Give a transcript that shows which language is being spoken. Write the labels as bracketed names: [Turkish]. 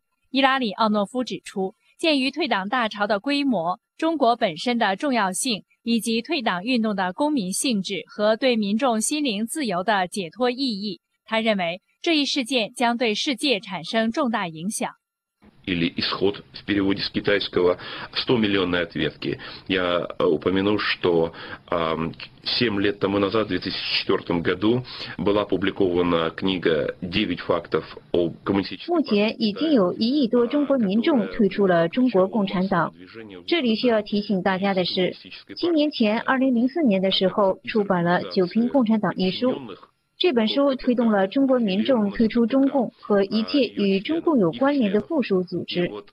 [Chinese] 伊拉里奥诺夫指出，鉴于退党大潮的规模、中国本身的重要性以及退党运动的公民性质和对民众心灵自由的解脱意义，他认为这一事件将对世界产生重大影响。 [Russian] Или исход в переводе с китайского 100-миллионной ответки. Я упомянул, что 7 лет тому назад, в 2004 году, была опубликована книга «9 фактов о коммунистическом...» [Chinese] 目前已经有1亿多中国民众退出了中国共产党。这里需要提醒大家的是，7年前2004年的时候出版了《九评共产党》一书。这本书推动了中国民众退出中共和一切与中共有关联的附属组织。